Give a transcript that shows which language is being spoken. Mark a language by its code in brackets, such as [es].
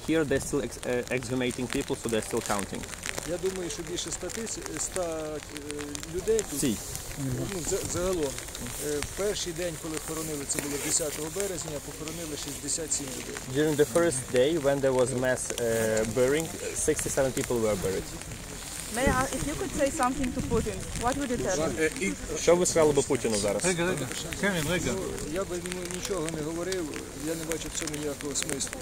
[en] Here they're still exhumating people, so they're still counting. [uk] Я думаю, що більше 100 людей тут. Sí. Загалом. Перший день, коли хоронили, це було 10 березня, похоронили 67 людей. [en] During the first day, when there was mass burying, 67 people were buried. May I ask, if you could say something to Putin, what would you tell him? [uk] Що ви сказали би Путіну зараз? Я б йому нічого не говорив, я не бачу в цьому ніякого смислу.